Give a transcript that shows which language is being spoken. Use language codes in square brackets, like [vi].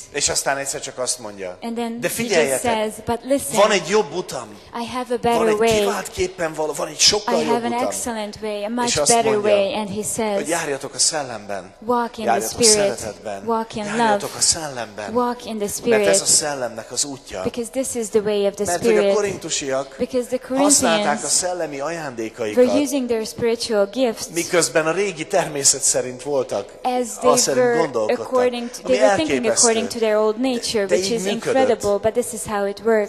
[hu] És aztán egyszer csak azt mondja. [en] And then [hu] de figyeljetek, [en] he just says, but listen. [hu] Van egy jobb utam. [en] I have a better way. [hu] Van egy kiváltképpen való, van egy sokkal jobb utam. [en] I have an excellent way, a much better way, and he says. [hu] Hogy járjatok a szellemben. [en] Walk in the spirit. Walk in [hu] járjatok [en] love. [hu] A szellemben. [en] Walk in the spirit. [hu] Mert ez a szellemnek az útja. [en] Because this is the way of the [hu] mert [en] spirit. [hu] Mert a korintusiak használták a szellemi ajándékaikat. [en] Were using their spiritual gifts. [hu] Miközben a régi természet szerint voltak. [en] As they were according to, they were thinking according to their old nature, which is incredible, but this is how it works.